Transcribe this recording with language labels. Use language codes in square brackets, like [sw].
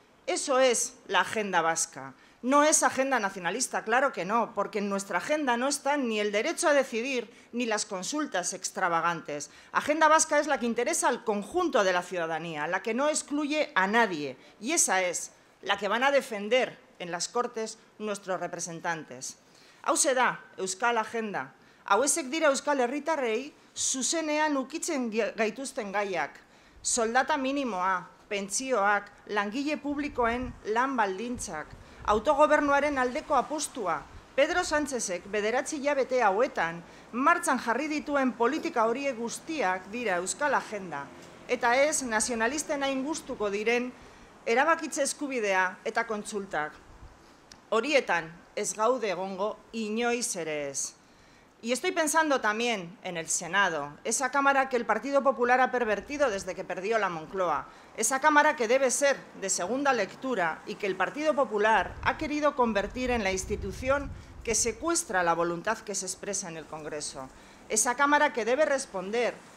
[es] Eso es la agenda vasca. No es agenda nacionalista, claro que no, porque en nuestra agenda no están ni el derecho a decidir ni las consultas extravagantes. Agenda vasca es la que interesa al conjunto de la ciudadanía, la que no excluye a nadie. Y esa es la que van a defender en las Cortes nuestros representantes. [eu] Hauze da, Euskal Agenda. Hauezek dira Euskal Herritarrei, zuzenean ukitzen gaituzten gaiak. Soldata minimoa, pentsioak, langile publikoen lan baldintzak, autogobernuaren aldeko apustua, Pedro Sánchezek 9 hilabete hauetan martxan jarri dituen politika horiek guztiak dira Euskal Agenda, eta ez nazionalisten hain gustuko diren erabakitze eskubidea eta kontsultak. Horietan ez gaude egongo inoiz ere ez. [es] Y estoy pensando también en el Senado, esa cámara que el Partido Popular ha pervertido desde que perdió la Moncloa, esa cámara que debe ser de segunda lectura y que el Partido Popular ha querido convertir en la institución que secuestra la voluntad que se expresa en el Congreso, esa cámara que debe responder